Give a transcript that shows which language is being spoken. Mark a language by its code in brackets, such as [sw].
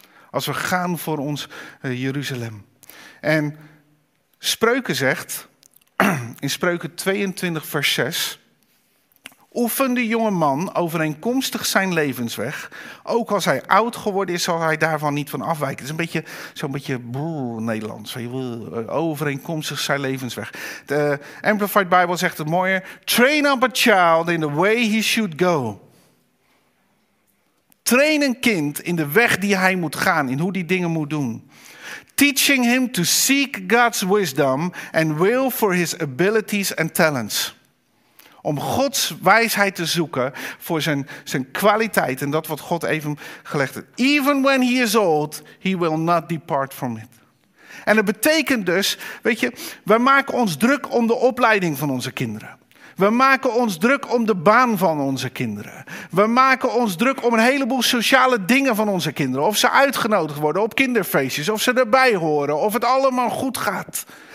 [nl] Als we gaan voor ons Jeruzalem. En Spreuken zegt, in Spreuken 22 vers 6... Oefen de jonge man overeenkomstig zijn levensweg. Ook als hij oud geworden is, zal hij daarvan niet van afwijken. Het is een beetje zo'n beetje Nederlands. Overeenkomstig zijn levensweg. De Amplified Bible zegt het mooier. [en] Train up a child in the way he should go. [nl] Train een kind in de weg die hij moet gaan. In hoe die dingen moet doen. [en] Teaching him to seek God's wisdom and will for his abilities and talents. [nl] Om Gods wijsheid te zoeken voor zijn kwaliteit en dat wat God even gelegd heeft. [en] Even when he is old, he will not depart from it. [nl] En dat betekent dus, weet je, we maken ons druk om de opleiding van onze kinderen. We maken ons druk om de baan van onze kinderen. We maken ons druk om een heleboel sociale dingen van onze kinderen. Of ze uitgenodigd worden op kinderfeestjes, of ze erbij horen, of het allemaal goed gaat.